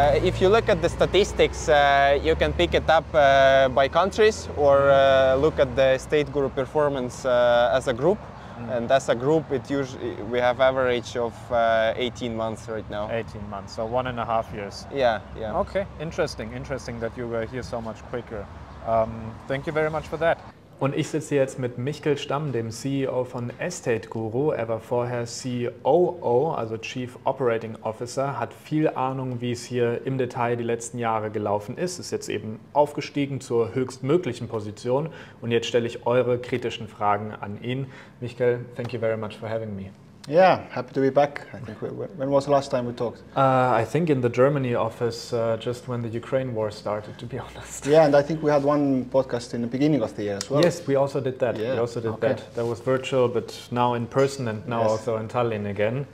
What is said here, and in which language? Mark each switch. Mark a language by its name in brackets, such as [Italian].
[English] If you look at the statistics, you can pick it up by countries or look at the Estateguru performance as a group. And as a group, we have average of 18 months right now. 18 months, so 1.5 years. Yeah. Okay, interesting that you were here so much quicker. Thank you very much for that. [German] Und ich sitze jetzt mit Mihkel Stamm, dem CEO von Estateguru. Er war vorher COO, also Chief Operating Officer, hat viel Ahnung, wie es hier im Detail die letzten Jahre gelaufen ist, ist jetzt eben aufgestiegen zur höchstmöglichen Position. Und jetzt stelle ich eure kritischen Fragen an ihn. [English] Mihkel, thank you very much for having me. Yeah, happy to be back. I think when was the last time we talked? I think in the Germany office, just when the Ukraine war started, to be honest. Yeah, and I think we had one podcast in the beginning of the year as well. Yes, we also did that. Yeah. That was virtual, but now in person and now also in Tallinn again.